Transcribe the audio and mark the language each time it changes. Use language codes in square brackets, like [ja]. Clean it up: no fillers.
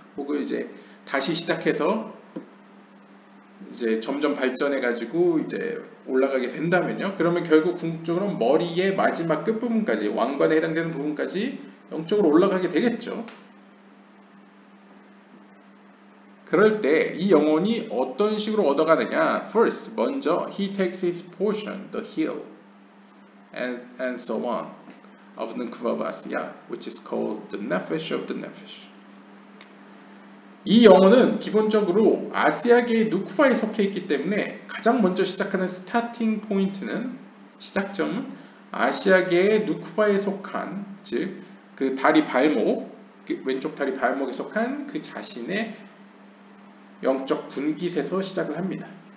[ko] 혹은 이제 다시 시작해서 이제 점점 발전해가지고 이제 올라가게 된다면요. 그러면 결국 궁극적으로 머리의 마지막 끝부분까지, 왕관에 해당되는 부분까지 영적으로 올라가게 되겠죠. 그럴 때 이 영혼이 어떤 식으로 얻어가느냐. [en] First, [ko] 먼저 [en] He takes his portion, the hill, and so on, of Nukvavasya, which is called the Nefesh of the Nefesh. [ko] 이 영혼은 기본적으로 아스야계의 누쿠바에 속해 있기 때문에 가장 먼저 시작하는 스타팅 포인트는, 시작점은 아스야계의 누쿠바에 속한, 즉 그 다리 발목, 그 왼쪽 다리 발목에 속한 그 자신의 영적 분깃에서 시작을 합니다.